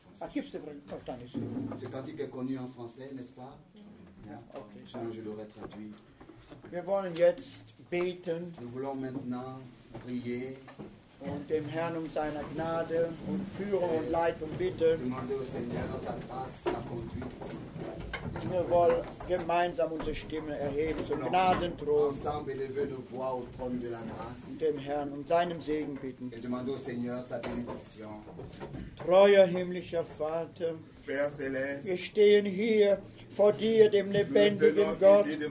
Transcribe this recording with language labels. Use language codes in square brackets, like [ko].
[fr] Ce cantique est connu en français, n'est-ce pas? [en] Yeah. Okay. [fr] Je l'aurais traduit. [de] Wir wollen jetzt beten. [fr] Nous voulons maintenant prier. [de] Und dem Herrn seiner Gnade und Führung und Leitung bitten. [fr] Demander au Seigneur sa grâce, sa conduite. [de] Wir wollen gemeinsam unsere Stimme erheben zum Gnadenthron. [fr] Ensemble élever nos voix au trône de la grâce. [de] Und dem Herrn seinem Segen bitten. [fr] Et demander au Seigneur sa bénédiction. [de] Treuer himmlischer Vater, [fr] Père Céleste, [de] wir stehen hier vor dir, dem lebendigen Gott,